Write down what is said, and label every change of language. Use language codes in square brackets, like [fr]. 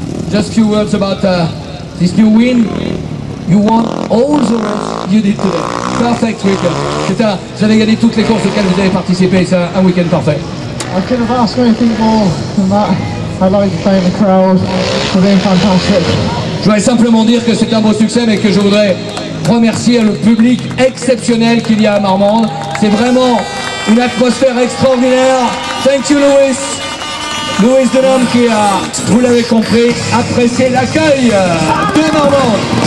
[en] Just a few words about this new win. You won all the races you did today. Perfect weekend. [fr] C'est un, vous avez gagné toutes les courses auxquelles vous avez participé. C'est un week-end parfait. [en] I couldn't have asked anything more than that. I like to thank the crowd for being fantastic. [fr] Je voudrais simplement dire que c'est un beau succès, mais que je voudrais remercier le public exceptionnel qu'il y a à Marmande. C'est vraiment une atmosphère extraordinaire. [en] Thank you, Louis. [fr] Louis Denham qui a, vous l'avez compris, apprécié l'accueil de Marmande.